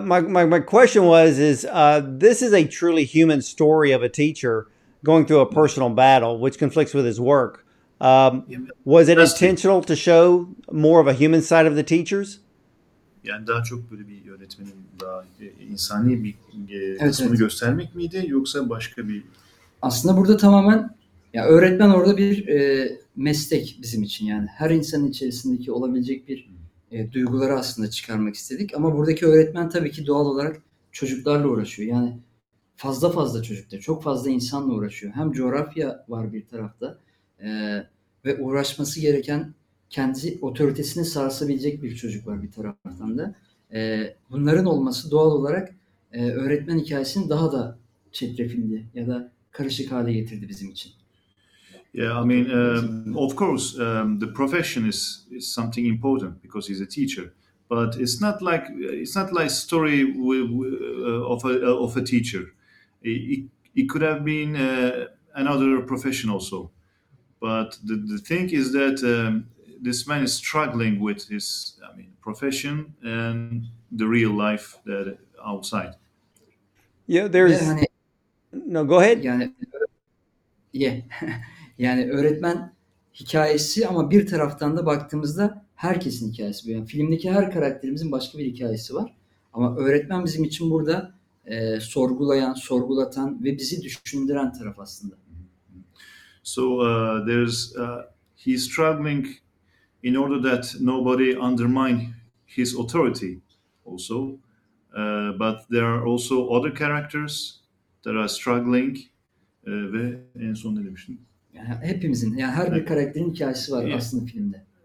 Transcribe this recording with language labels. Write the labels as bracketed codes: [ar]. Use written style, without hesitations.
[en] My question was, this is a truly human story of a teacher going through a personal battle, which conflicts with his work. Was it intentional to show more of a human side of the teachers? [tr] Yani daha çok böyle bir öğretmenin daha insani bir kısmını göstermek miydi, yoksa başka bir... Aslında burada tamamen, ya öğretmen orada bir meslek bizim için. Yani her insanın içerisindeki olabilecek bir duyguları aslında çıkarmak istedik. Ama buradaki öğretmen tabii ki doğal olarak çocuklarla uğraşıyor. Yani fazla çocukta, çok fazla insanla uğraşıyor. Hem coğrafya var bir tarafta ve uğraşması gereken kendi otoritesini sarsabilecek bir çocuk var bir taraftan da. Bunların olması doğal olarak öğretmen hikayesini daha da çetrefilli ya da karışık hale getirdi bizim için. [en] Yeah, I mean, of course, the profession is something important because he's a teacher. But it's not like story of a teacher. It could have been another profession also. But the thing is that this man is struggling with his profession and the real life that outside. Yeah, there's. No, go ahead. Yeah. [tr] Yani öğretmen hikayesi ama bir taraftan da baktığımızda herkesin hikayesi. Yani filmdeki her karakterimizin başka bir hikayesi var. Ama öğretmen bizim için burada sorgulayan, sorgulatan ve bizi düşündüren taraf aslında. [en] So there's he's struggling in order that nobody undermine his authority also. But there are also other characters that are struggling. [tr] Ve en son ne demiştin? Yani hepimizin, yani her bir karakterin hikayesi var aslında filmde.